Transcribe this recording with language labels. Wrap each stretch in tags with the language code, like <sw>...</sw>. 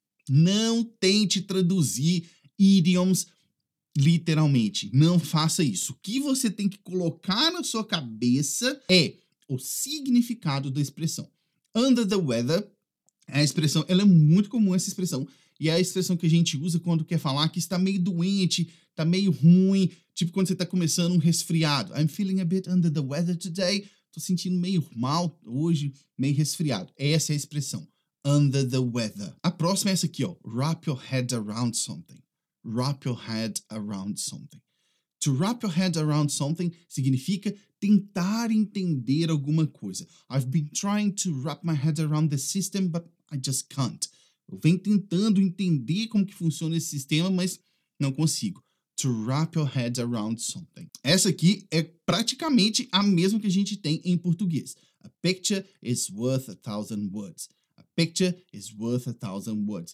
<pt>Não tente traduzir idioms literalmente, não faça isso. O que você tem que colocar na sua cabeça é o significado da expressão. Under the weather, a expressão, ela é muito comum essa expressão, e é a expressão que a gente usa quando quer falar que está meio doente, está meio ruim, tipo quando você está começando um resfriado.</pt> <en>I'm feeling a bit under the weather today.</en> <pt>Estou sentindo meio mal hoje, meio resfriado. Essa é a expressão, under the weather. A próxima é essa aqui, ó.</pt> <en>Wrap your head around something. Wrap your head around something.</en> <pt>To wrap your head around something significa tentar entender alguma coisa.</pt> <en>I've been trying to wrap my head around the system, but I just can't.</en> <pt>Eu venho tentando entender como que funciona esse sistema, mas não consigo.</pt> <en>To wrap your head around something.</en> <pt>Essa aqui é praticamente a mesma que a gente tem em português.</pt> <en>A picture is worth a thousand words. A picture is worth a thousand words.</en>